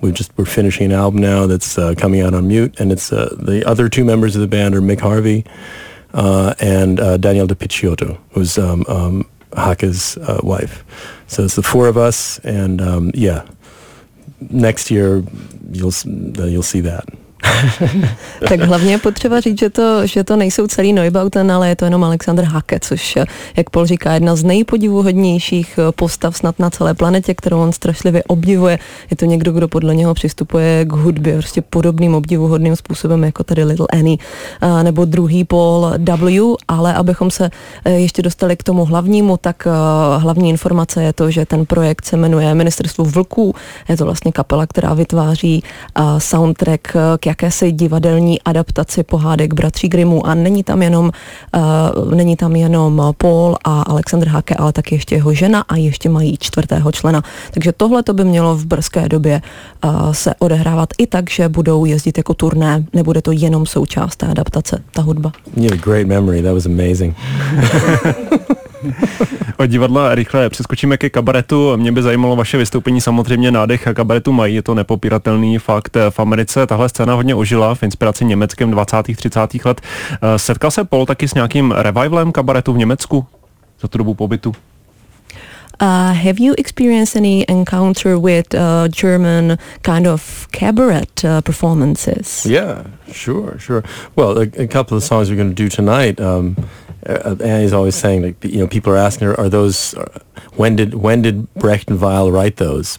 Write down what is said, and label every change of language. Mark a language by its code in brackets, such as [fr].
[en] We're finishing an album now that's coming out on Mute, and it's the other two members of the band are Mick Harvey and Daniel De Picciotto, who's Haka's wife. So it's the four of us, and next year you'll see that. [cs] Tak hlavně potřeba říct, že to nejsou celý Neubauten, ale je to jenom Alexander Hacke, což, jak Paul říká, jedna z nejpodivuhodnějších postav snad na celé planetě, kterou on strašlivě obdivuje. Je to někdo, kdo podle něho přistupuje k hudbě prostě podobným obdivuhodným způsobem, jako tady Little Annie, nebo druhý Paul W. Ale abychom se ještě dostali k tomu hlavnímu, tak hlavní informace je to, že ten projekt se jmenuje Ministerstvo vlků. Je to vlastně kapela, která vytváří soundtrack k jakési divadelní adaptaci pohádek Bratří Grimmů, a není tam jenom Paul a Alexander Hacke, ale taky ještě jeho žena, a ještě mají čtvrtého člena. Takže tohle to by mělo v brzké době se odehrávat i tak, že budou jezdit jako turné, nebude to jenom součást té adaptace, ta hudba. [en] You have a great memory, that was amazing. [cs] Od divadla rychle přeskočíme ke kabaretu. Mě by zajímalo vaše vystoupení, samozřejmě nádech kabaretu mají, je to nepopíratelný fakt. V Americe tahle scéna hodně ožila v inspiraci německém 20. 30. let. Setkal se Paul taky s nějakým revivalem kabaretu v Německu za tu dobu pobytu? [en] Have you experienced any encounter with German kind of cabaret performances? Yeah, sure. Well, a couple of songs we're going to do tonight. Annie's always saying, like, you know, people are asking her, are those, when did Brecht and Weill write those?